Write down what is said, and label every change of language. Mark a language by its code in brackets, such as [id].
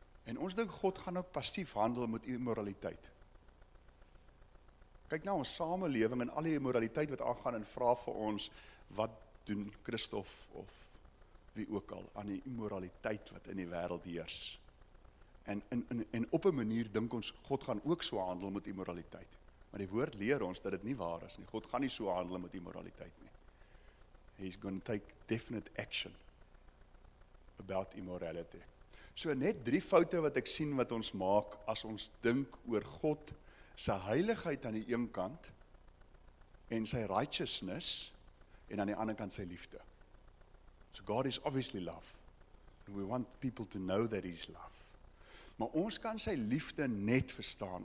[af] En ons dink God gaan ook passief handel met immoraliteit. Kyk nou ons samelewing en al die immoraliteit wat aangaan en vra vir ons, wat doen Christoff of wie ook al, aan die immoraliteit wat in die wêreld heers. En op 'n manier dink ons, God gaan ook so handel met immoraliteit. Maar die woord leer ons dat dit nie waar is nie. God gaan nie so handel met immoraliteit nie. [en] He's going to take definite action about immorality. [af] So net drie foute wat ek sien wat ons maak as ons dink oor God se heiligheid aan die een kant en sy righteousness en aan die ander kant sy liefde. [en] So God is obviously love. And we want people to know that he's love. [af] Maar ons kan sy liefde net verstaan.